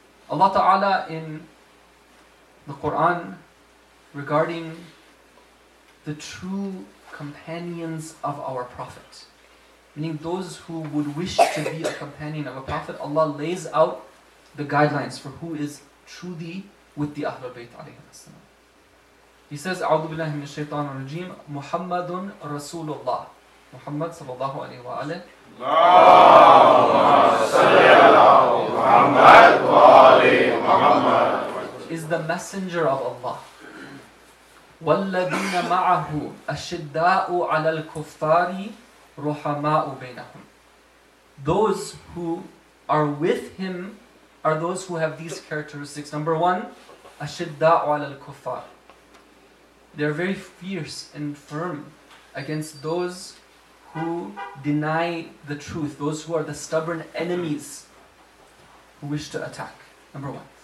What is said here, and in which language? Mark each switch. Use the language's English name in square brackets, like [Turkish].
[English] Allah Ta'ala in the Quran regarding the true companions of our Prophet, meaning those who would wish to be a companion of a Prophet, Allah lays out the guidelines for who is truly with the Ahlul Bayt alayhi wasalam. He says, [Arabic] أعوذ بالله من الشيطان الرجيم محمد رسول الله محمد صلى الله عليه وآله اللهم صل على محمد وآل محمد [English] is the messenger of Allah. [Arabic] وَالَّذِينَ مَعَهُ أَشِدَّاءُ عَلَى الْكُفَّارِ رُحَمَاءُ بَيْنَهُمْ [English] Those who are with him are those who have these characteristics. Number one, [Arabic] أَشِدَّاءُ عَلَى الْكُفَّارِ [English] They are very fierce and firm against those who deny the truth, those who are the stubborn enemies who wish to attack. Number one.